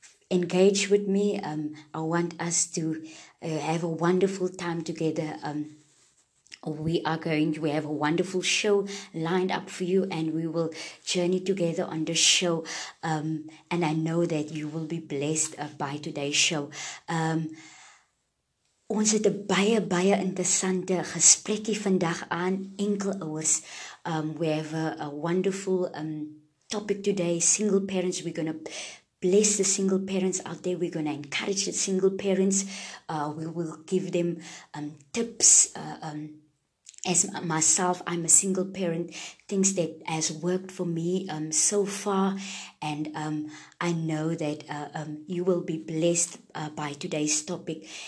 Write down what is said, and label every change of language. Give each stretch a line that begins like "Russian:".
English: Engage with me. I want us to have a wonderful time together. We have a wonderful show lined up for you, and we will journey together on this show. And I know that you will be blessed by today's show.
Afrikaans: Ons het 'n baie interessante gesprekkie vandag aan enkel ouers.
English: We have a wonderful topic today, single parents. We're going to bless the single parents out there. We're going to encourage the single parents. We will give them tips. As myself, I'm a single parent, things that has worked for me so far, and I know that you will be blessed by today's topic.